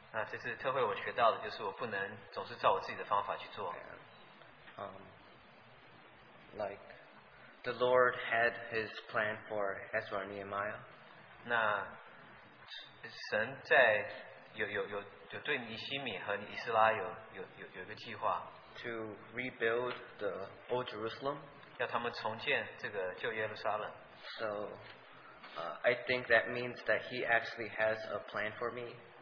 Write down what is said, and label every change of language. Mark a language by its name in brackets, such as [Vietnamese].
[Chinese] 这次特会我学到的就是我不能总是照我自己的方法去做。 [English] Like the Lord had His plan for Ezra and Nehemiah. [Chinese] 那神在有对尼希米和尼斯拉有一个计划 [English] to rebuild the old Jerusalem. [Chinese] 要他们重建这个旧耶路撒冷. [English] So, I think that means that He actually has a plan for me.